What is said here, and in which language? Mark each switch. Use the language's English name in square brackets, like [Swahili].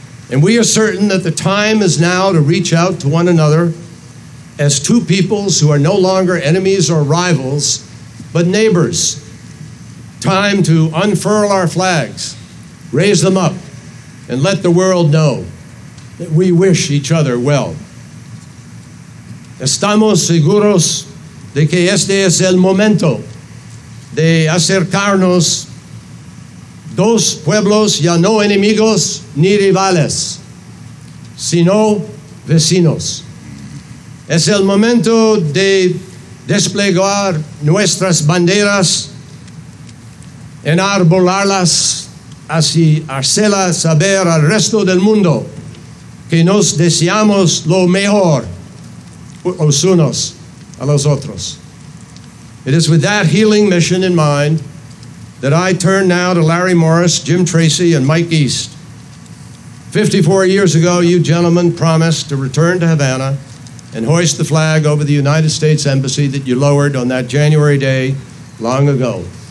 [English] And we are certain that the time is now to reach out to one another as two peoples who are no longer enemies or rivals, but neighbors. Time to unfurl our flags, raise them up, and let the world know that we wish each other well. [Spanish] Estamos seguros de que este es el momento de acercarnos dos pueblos ya no enemigos ni rivales, sino vecinos. Es el momento de desplegar nuestras banderas, enarbolarlas, así hacerla saber al resto del mundo que nos deseamos lo mejor los unos a los otros. [English] It is with that healing mission in mind that I turn now to Larry Morris, Jim Tracy, and Mike East. 54 years ago, you gentlemen promised to return to Havana and hoist the flag over the United States Embassy that you lowered on that January day long ago.